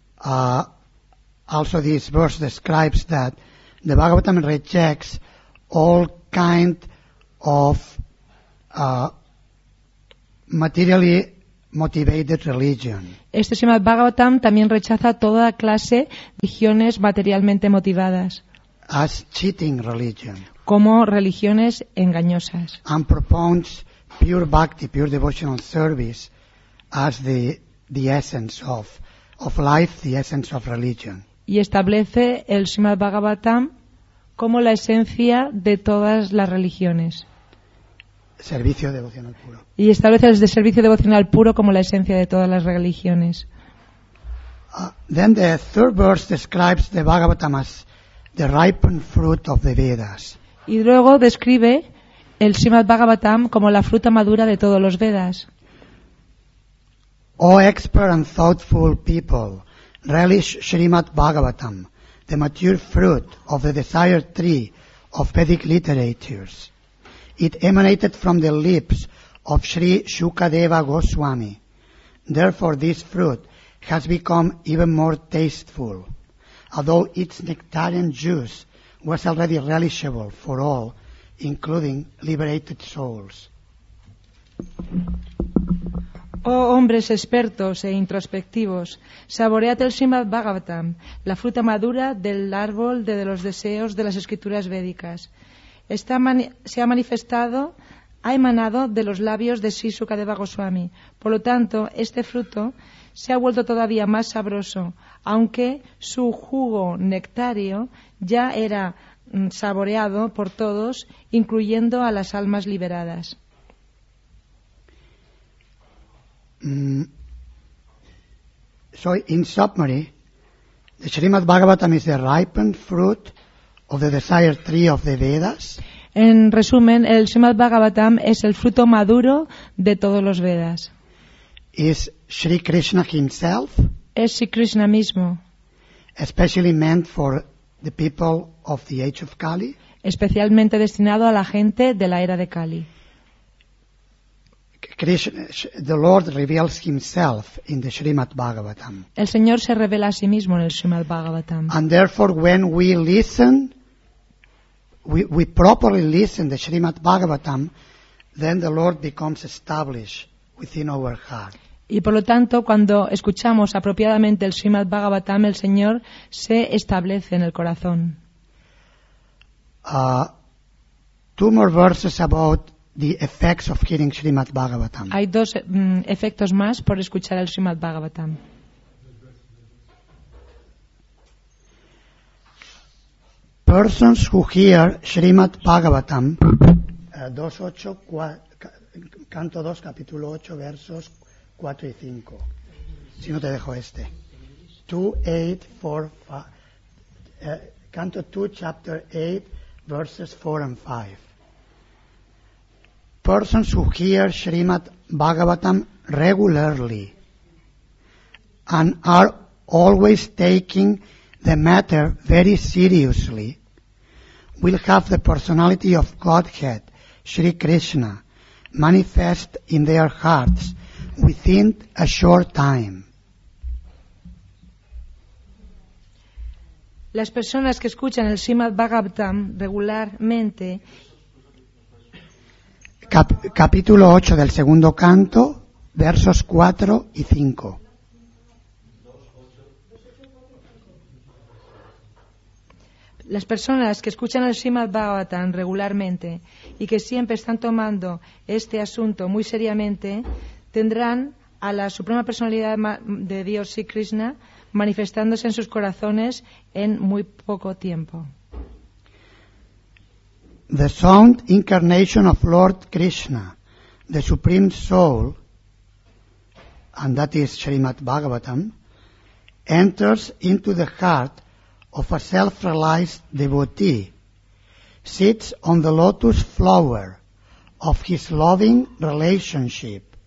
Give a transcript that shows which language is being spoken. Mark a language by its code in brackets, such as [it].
[en] Also this verse describes that the Bhagavatam rejects all kind of materially motivated religion. [es] Este Srimad Bhagavatam también rechaza toda clase de religiones materialmente motivadas, [en] as cheating religion, [es] como religiones engañosas, [en] and propounds pure bhakti, pure devotional service, as the essence of life, the essence of religion. [es] Y establece el Srimad Bhagavatam como la esencia de todas las religiones. Servicio devocional puro. Y establece el servicio devocional puro como la esencia de todas las religiones. [en] Then the third verse describes the Bhagavatam as the ripened fruit of the Vedas. [es] Y luego describe el Srimad Bhagavatam como la fruta madura de todos los Vedas. [en] All expert and thoughtful people relish Srimad Bhagavatam, the mature fruit of the desired tree of Vedic literatures. It emanated from the lips of Sri Shukadeva Goswami. Therefore, this fruit has become even more tasteful, although its nectarian juice was already relishable for all, including liberated souls. [es] Oh, hombres expertos e introspectivos, saboread el Srimad Bhagavatam, la fruta madura del árbol de los deseos de las escrituras védicas. Esta se ha manifestado, ha emanado de los labios de Sri Shukadeva Goswami. Por lo tanto, este fruto se ha vuelto todavía más sabroso, aunque su jugo nectario ya era saboreado por todos, incluyendo a las almas liberadas. [en] So, in summary, the Srimad Bhagavatam is the ripened fruit of the desired tree of the Vedas. [es] En resumen, el Srimad Bhagavatam es el fruto maduro de todos los Vedas. [en] Is Sri Krishna himself? [es] Es Sri Krishna mismo. [en] Especially meant for the people of the age of Kali. [es] Especialmente destinado a la gente de la era de Kali. [en] Krishna, the Lord reveals himself in the Srimad Bhagavatam. [es] El Señor se revela a sí mismo en el Srimad Bhagavatam. [en] And therefore, when we listen, we properly listen the Srimad Bhagavatam, then the Lord becomes established within our heart. [es] Y por lo tanto, cuando escuchamos apropiadamente el Srimad Bhagavatam, el Señor se establece en el corazón. [en] Two more verses about the effects of hearing Srimad Bhagavatam. [es] Hay dos efectos más por escuchar el Srimad Bhagavatam. [en] Persons who hear Srimad Bhagavatam, [es] 2:8, canto 2, capítulo 8, versos 4 y 5. Si no te dejo este. [en] 2:8, 4, 5, canto 2, chapter 8, verses 4 and 5. Persons who hear Srimad Bhagavatam regularly and are always taking the matter very seriously will have the personality of Godhead, Sri Krishna, manifest in their hearts within a short time. [es] Las personas que escuchan el Srimad Bhagavatam regularmente. Capítulo 8 del segundo canto, versos 4 y 5. Las personas que escuchan el Srimad Bhagavatam regularmente y que siempre están tomando este asunto muy seriamente tendrán a la Suprema Personalidad de Dios, Sri Krishna, manifestándose en sus corazones en muy poco tiempo. [en] The sound incarnation of Lord Krishna, the Supreme Soul, and that is Srimad Bhagavatam, enters into the heart of a self-realized devotee, sits on the lotus flower of his loving relationship,